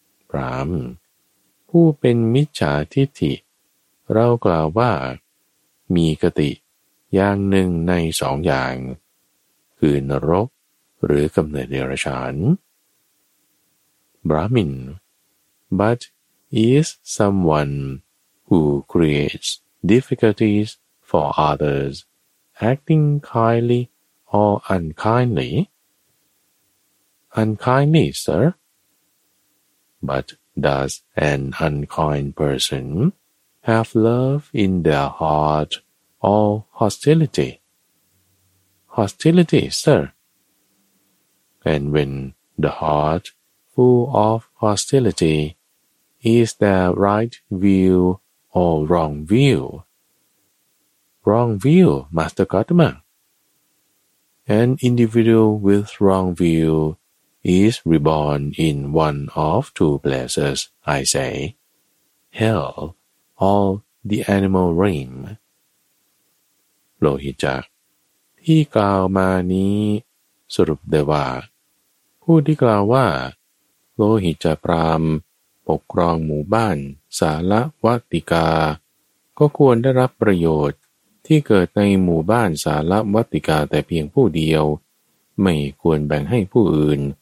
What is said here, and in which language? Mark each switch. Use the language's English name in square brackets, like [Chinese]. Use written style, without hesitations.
[Thai] ปรามผู้เป็นมิจฉาทิฏฐิเรากล่าวว่ามีกติอย่างหนึ่งในสองอย่างคือนรกหรือกำเนิดเดรัจฉานบรามิน [English] but is someoneWho creates difficulties for others, acting kindly or unkindly? Unkindly, sir. But does an unkind person have love in their heart or hostility? Hostility, sir. And when the heart full of hostility, is there right view? All wrong view. Wrong view, Master Gautama. an individual with wrong view is reborn in one of two places, I say, hell or the animal realm. [Thai] โลหิตจักรที่กล่าวมานี้สรุปได้ว่าผู้ที่กล่าวว่าโลหิตจักรพราหมณ์ปกครองหมู่บ้านสาละวัติกาก็ควรได้รับประโยชน์ที่เกิดในหมู่บ้านสาละวัติกาแต่เพียงผู้เดียวไม่ควรแบ่งให้ผู้อื่น